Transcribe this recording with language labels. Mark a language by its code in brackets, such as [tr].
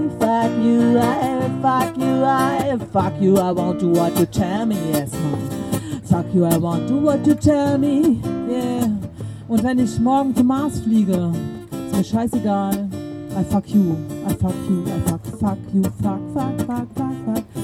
[en] Fuck you, I fuck you, I fuck you. I won't do what you tell me. Yes, Mom. Fuck you, I won't do what you tell me. Yeah. [de] Und wenn ich morgen zum Mars fliege, ist mir scheißegal. [en] I fuck you, I fuck you, I fuck, fuck you, fuck, fuck, fuck, fuck, fuck.